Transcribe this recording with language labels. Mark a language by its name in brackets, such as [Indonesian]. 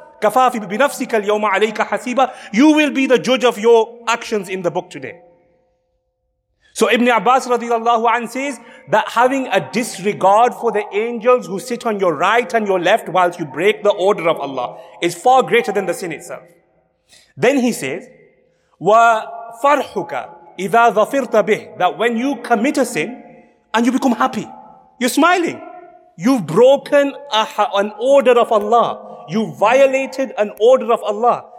[Arabic] Kafa fi binafsika al-yawma alayka hasiba. [English] You will be the judge of your actions in the book today. So Ibn Abbas radiallahu anhu says that having a disregard for the angels who sit on your right and your left whilst you break the order of Allah is far greater than the sin itself. Then he says, [Arabic] وَفَرْحُكَ إِذَا ظَفِرْتَ بِهِ. [English] That when you commit a sin and you become happy, you're smiling. You've broken an order of Allah. You violated an order of Allah.